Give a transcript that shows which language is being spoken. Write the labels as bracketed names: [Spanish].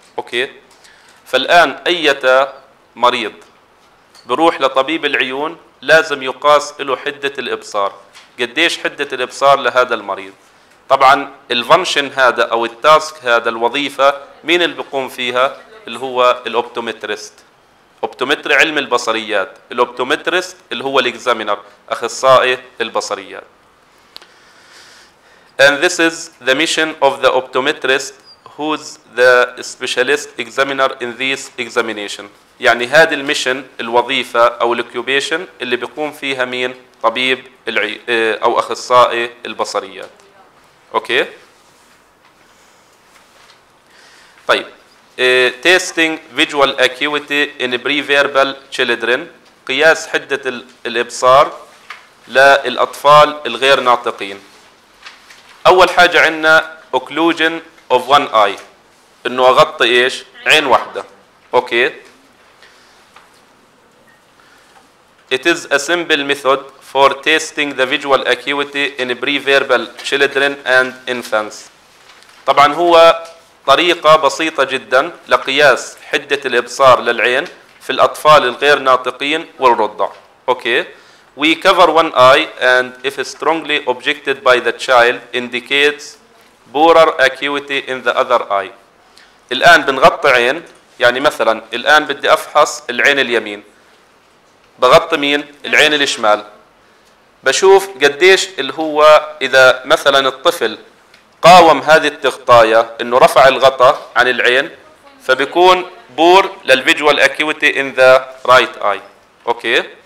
[Arabic] اوكي، فالان اي مريض بروح لطبيب العيون لازم يقاس له حدة الابصار، قديش حدة الابصار لهذا المريض. طبعا الفانشن هذا او التاسك هذا الوظيفة مين اللي بيقوم فيها؟ اللي هو الاوبتومترست، اوبتومتري علم البصريات، الاوبتومترست اللي هو الاكزامينر اخصائي البصريات. [English] And this is the mission of the optometrist who's the specialist examiner in this examination. [Arabic] يعني هذه المشن الوظيفة أو الاكيوبيشن اللي بيقوم فيها مين؟ طبيب أو أخصائي البصريات. أوكي؟ طيب. [English] Testing visual acuity in pre-verbal children. [Arabic] قياس حدة الإبصار للأطفال الغير ناطقين. أول حاجة عندنا [English] occlusion of one eye، [Arabic] إنه أغطي إيش؟ عين واحدة. أوكي. [English] It is a simple method for testing the visual acuity in pre-verbal children and infants. [Arabic] طبعا هو طريقة بسيطة جدا لقياس حدة الإبصار للعين في الأطفال الغير ناطقين والرضع. أوكي. [English] We cover one eye and if strongly objected by the child indicates poorer acuity in the other eye. [Arabic] الآن بنغطي عين، يعني مثلا الآن بدي أفحص العين اليمين، بغطي مين؟ العين الشمال، بشوف قديش اللي هو إذا مثلا الطفل قاوم هذه التغطاية إنه رفع الغطاء عن العين فبيكون poor للفيجوال [English] acuity in the right eye. [Arabic] أوكي.